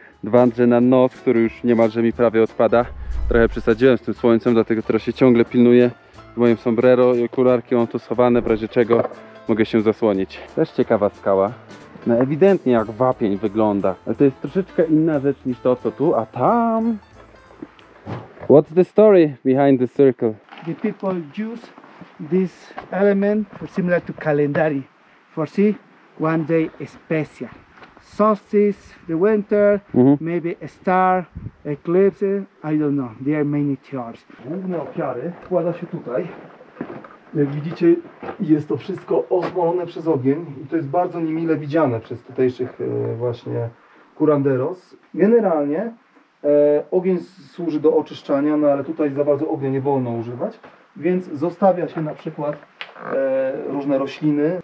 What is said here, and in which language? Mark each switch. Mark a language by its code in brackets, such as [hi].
[pl] Dwa drzwi na nos, który już niemalże mi prawie odpada. Trochę przesadziłem z tym słońcem, dlatego teraz się ciągle pilnuję. Moim sombrero i okularki mam tu schowane, w razie czego mogę się zasłonić. Też ciekawa skała. No ewidentnie jak wapień wygląda. Ale to jest troszeczkę inna rzecz niż to, co tu, a tam... [en] What's the story behind the circle? The people use this element for similar to calendari. For see, one day special. Solstice, the winter, maybe a star, eclipse, I don't know. There are many theories. [pl] Główne ofiary składa się tutaj. Jak widzicie, jest to wszystko osmolone przez ogień. I to jest bardzo niemile widziane przez tutejszych właśnie curanderos. Generalnie ogień służy do oczyszczania, no ale tutaj za bardzo ognia nie wolno używać, więc zostawia się na przykład różne rośliny.